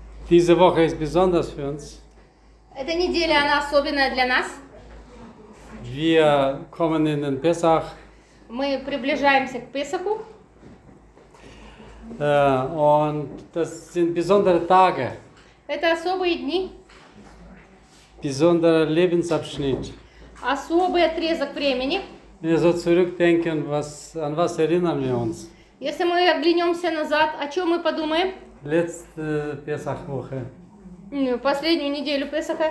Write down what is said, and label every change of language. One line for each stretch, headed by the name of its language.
German: Diese Woche ist besonders für uns.
Russian: Эта неделя она особенная для нас.
German: Wir kommen in den Pesach.
Russian: Мы приближаемся к Песаху.
German: Und das sind besondere Tage.
Russian: Это особые дни.
German: Besonderer Lebensabschnitt.
Russian: Особый отрезок времени.
German: Wenn wir so zurückdenken, an was erinnern wir uns?
Russian: Если мы оглянемся назад, о чем мы подумаем?
German: Letzte Pesachwoche.
Russian: Последнюю неделю Песаха.